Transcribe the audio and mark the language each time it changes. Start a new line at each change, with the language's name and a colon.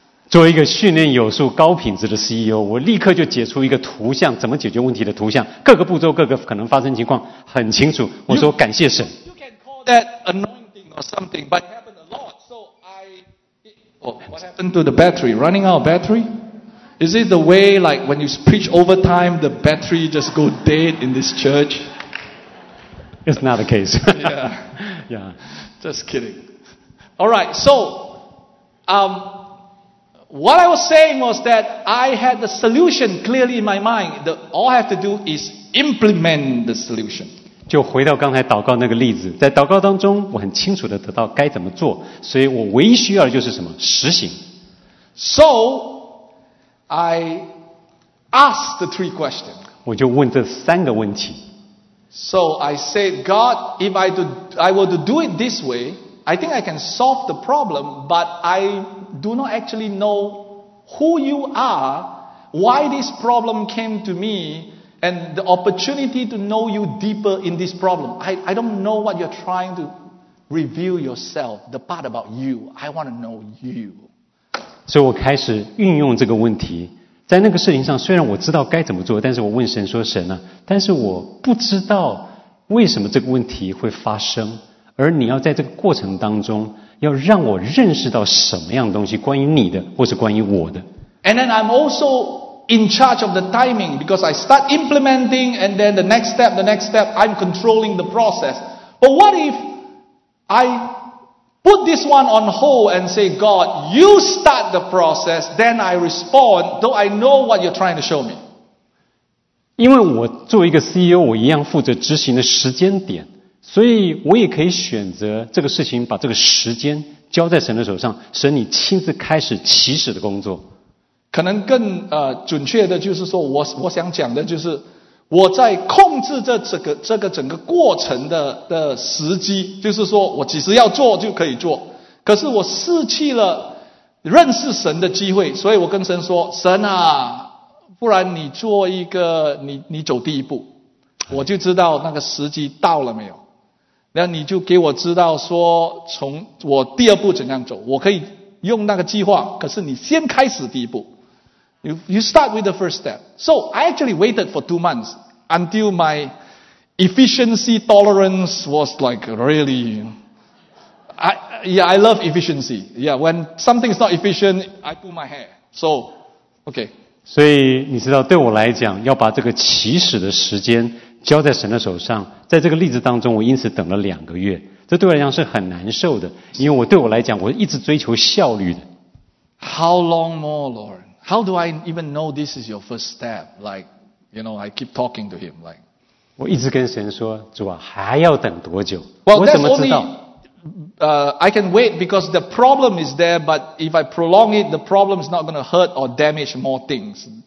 Chinese: 作为一个训练有素、高品质的 CEO, 我立刻就解出一个图像，怎么解决问题的图像，各个步骤、各个可能发生情况很清楚。我说感谢神。
English: You can call that anointing or something, but it happened a lot. So what happened to the battery? Running out of battery? Is it the way, like, when you preach over time, the battery just go dead in this church? It's not the case. Yeah. Just kidding. All right, so, what I was saying was that I had the solution clearly in my mind. All I have to do is implement the solution.
Chinese: 就回到刚才祷告那个例子，在祷告当中，我很清楚地得到该怎么做，所以我唯一需要的就是什么？实行。
English: So,I asked the three questions.
Chinese: 我就问这三个问题。
English: So I said, God, if I were to do it this way, I think I can solve the problem, but I do not actually know who you are, why this problem came to me, and the opportunity to know you deeper in this problem. I don't know what you're trying to reveal yourself, the part about you. I want to know you.
Chinese: 所以我开始运用这个问题，在那个事情上，虽然我知道该怎么做，但是我问神说，神啊，但是我不知道为什么这个问题会发生，而你要在这个过程当中，要让我认识到什么样东西，关于你的，或是关于我的。
English: And then I'm also in charge of the timing, because I start implementing, and then the next step, I'm controlling the process. But what if I... Put this one on hold and say, God, you start the process, then I respond, though I know what you're trying to show me.
Chinese: 因为我作为一个 CEO, 我一样负责执行的时间点，所以我也可以选择这个事情，把这个时间交在神的手上，神你亲自开始起始的工作。可能更准确的就是说，我想讲的就是我在控制这个整个过程的时机，就是说我几时要做就可以做，可是我失去了认识神的机会，所以我跟神说，神啊，不然你做一个，你走第一步，我就知道那个时机到了没有，那你就给我知道说从我第二步怎样走，我可以用那个计划，可是你先开始第一步。
English: You start with the first step. So I actually waited for 2 months until my efficiency tolerance was like really. I love efficiency. Yeah, when something's not efficient, I pull my hair. So, okay.
Chinese: 所以你知道，对我来讲，要把这个起始的时间交在神的手上。在这个例子当中，我因此等了2个月。这对我来讲是很难受的，因为对我来讲，我一直追求效率的。
English: How long more, Lord? How do I even know this is your first step? Like, you know, I keep talking to him. Like,
Chinese: 我一直跟神说，主啊，还要等多久？ Well, 我怎么知道？
English: I can wait because the problem is there. But if I prolong it, the problem is not going to hurt or damage more things.